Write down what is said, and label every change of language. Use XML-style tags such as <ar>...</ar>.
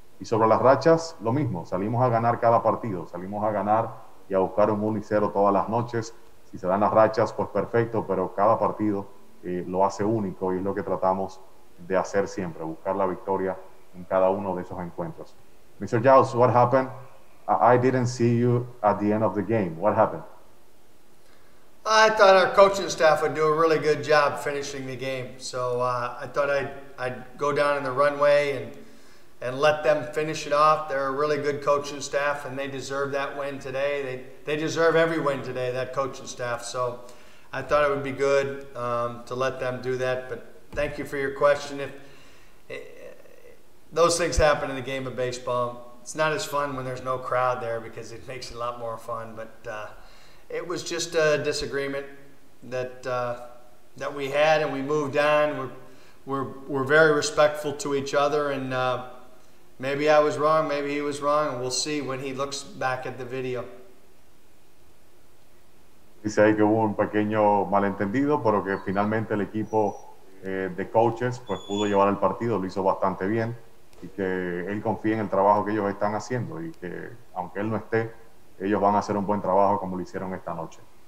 <es>Y sobre las rachas, lo mismo, salimos a ganar cada partido, salimos a ganar y a buscar un 1-0 todas las noches. Si se dan las rachas, pues perfecto, pero cada partido lo hace único y es lo que tratamos de hacer siempre, buscar la victoria en cada uno de esos encuentros.</es> <en>Mr. Giles, what happened? I didn't see you at the end of the game. What happened? I thought our coaching staff would do a really good job finishing the game. So I thought I'd go down in the runway and let them finish it off. They're a really good coaching staff, and they deserve that win today. They deserve every win today, that coaching staff. So I thought it would be good to let them do that. But thank you for your question. If those things happen in the game of baseball, it's not as fun when there's no crowd there because it makes it a lot more fun. But it was just a disagreement that we had, and we moved on. We're very respectful to each other, and maybe I was wrong, maybe he was wrong, and we'll see when he looks back at the video.</en> <es>Dice ahí que hubo un pequeño malentendido, pero que finalmente el equipo de coaches pues pudo llevar el partido, lo hizo bastante bien, y que él confía en el trabajo que ellos están haciendo, y que aunque él no esté, ellos van a hacer un buen trabajo como lo hicieron esta noche.</es>